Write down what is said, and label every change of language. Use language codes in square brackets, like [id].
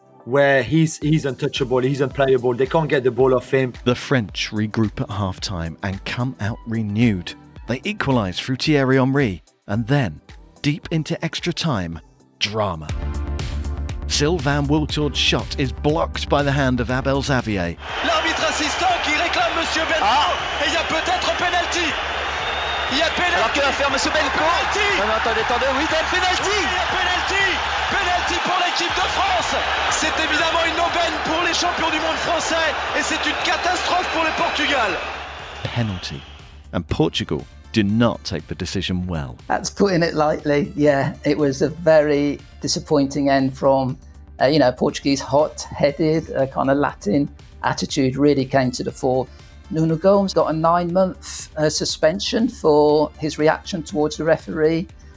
[en] where he's untouchable, he's unplayable, they can't get the ball off him. The French regroup at halftime and come out renewed. They equalise through Thierry Henry, and then, deep into extra time, drama. Sylvain Wiltord's shot is blocked by the hand of Abel Xavier. [fr] L'arbitre assistant qui réclame Monsieur Belco, ah. Et il y a peut-être penalty. Il y a penalty. Alors que va faire Monsieur Belco? Penalty. Attendez, oui, c'est penalty. Oui, penalty. Penalty pour l'équipe de France. C'est évidemment une aubaine pour les champions du monde français, et c'est une catastrophe pour le Portugal. [en] Penalty, and Portugal did not take the decision well. That's putting it lightly. Yeah, it was a very disappointing end from, Portuguese hot-headed, kind of Latin attitude really came to the fore. Nuno Gomes got a nine-month suspension for his reaction towards the referee.